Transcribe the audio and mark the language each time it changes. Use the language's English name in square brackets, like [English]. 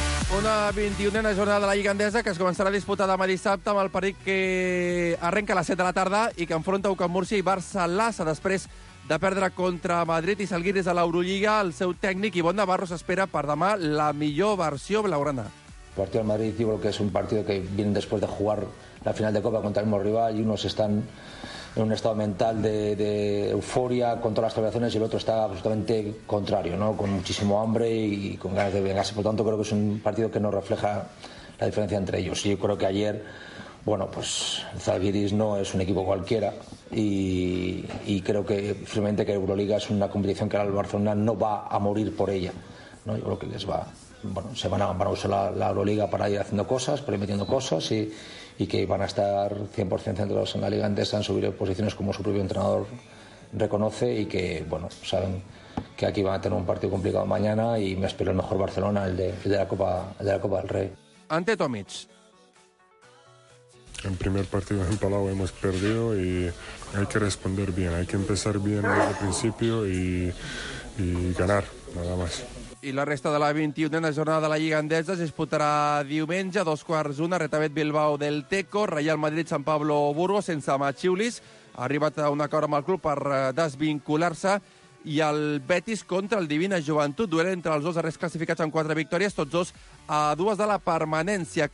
[Catalan] Una 21a jornada de la Lliga Endesa que es començarà a disputar demà dissabte amb el partit que arrenca a les 7 de la tarda i que enfronta Ucam Múrcia i Barça Lassa després de perdre contra Madrid i Salguiris a l'Eurolliga. El seu tècnic Ivon Navarro s'espera per demà la millor versió blaugrana. [Spanish] El partido del Madrid, yo creo que es un partido que viene después de jugar la final de Copa contra el mismo rival y unos están en un estado mental de euforia con todas las celebraciones y el otro está absolutamente contrario, ¿no? Con muchísimo hambre y con ganas de vengarse. Por tanto, creo que es un partido que no refleja la diferencia entre ellos. Yo creo que ayer, bueno, pues Zalgiris no es un equipo cualquiera y creo que firmemente que Euroliga es una competición que el Barcelona no va a morir por ella, ¿no? Yo creo que les va. Bueno, se van a usar la Euroliga para ir haciendo cosas, para ir metiendo cosas y que van a estar 100% centrados en la Liga Endesa, en subir posiciones como su propio entrenador reconoce y que, bueno, saben que aquí van a tener un partido complicado mañana y me espero el mejor Barcelona, el de la Copa del Rey. [Catalan] Ante Tomic. [Spanish] En primer partido en Palau hemos perdido y hay que responder bien, hay que empezar bien desde el principio y ganar, nada más. [Catalan] I la resta de la 21a jornada de la Lliga Endesa es disputarà diumenge, 12:45, Retabet Bilbao del Teco, Real Madrid San Pablo Burgos, sense Matxiulis, ha arribat a un acord amb el club per desvincular-se, i el Betis contra el Divina Joventut, duel entre els dos darrers classificats amb 4 victòries, tots dos a dues de la permanència.